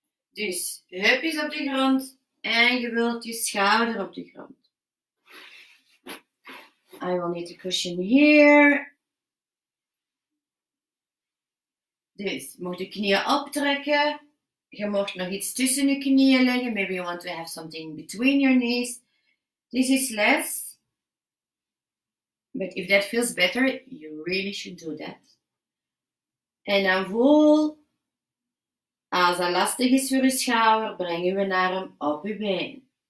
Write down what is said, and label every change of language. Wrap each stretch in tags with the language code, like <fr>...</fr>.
<nl>Dus, heupjes op de grond en je wilt je schouder op de grond.</nl> <en>I will need a cushion here.</en> <nl>Dus, je mag de knieën optrekken. Je mag nog iets tussen je knieën leggen.</nl> <en>Maybe you want to have something between your knees. This is less. But if that feels better, you really should do that.</en> <nl>En dan voel, als dat lastig is voor je schouder, brengen we naar hem op je been.</nl>